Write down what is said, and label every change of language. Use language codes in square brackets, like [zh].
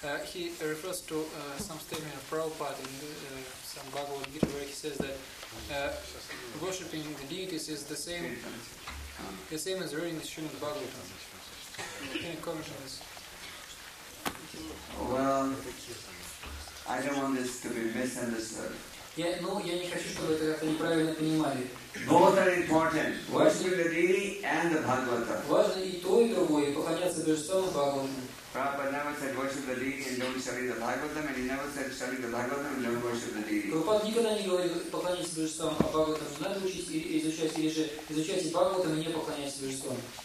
[en] He refers to some statement of Prabhupada in some Bhagavad Gita where he says that worshipping the deities is the same as reading the Srimad Bhagavatam. Can you comment on this? Well, I don't want this to be misunderstood. [ru] Я не хочу, чтобы это как-то неправильно понимали. [en] Both are important. Worship the deity and the Bhagavata. [ru] Важно и то, и другое, поклоняться божествам и Бхагаватам. [en] Prabhupada never said worship the deity and don't study the Bhagavatam, and he never said study the Bhagavatam and don't worship the deity. [ru] Prabhupada никогда не говорил поклоняться божествам, а Бхагаватам надо учить и изучать, или же изучайте Бхагаватам и не поклоняйтесь божествам.